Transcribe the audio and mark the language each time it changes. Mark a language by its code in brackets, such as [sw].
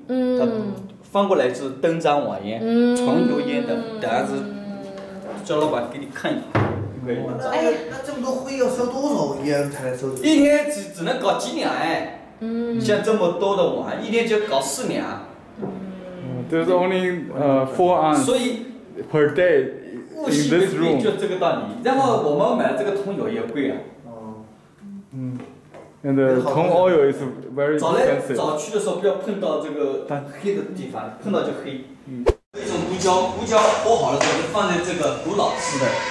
[zh] 他翻过来是灯盏碗烟。桐油烟的，但是叫老板给你看一下。那这么多灰要烧多少烟才能烧？一天只能搞几两哎。像这么多的碗，一天就搞四两。 [en] There's only 4 ounces per day in this room. [zh] 就这个道理。然后我们买这个桐油也贵啊。 [en] And the 桐 oil is very expensive. [zh] 早去的时候不要碰到这个黑的地方，碰到就黑。一种胡椒剥好了之后就放在这个古老式的。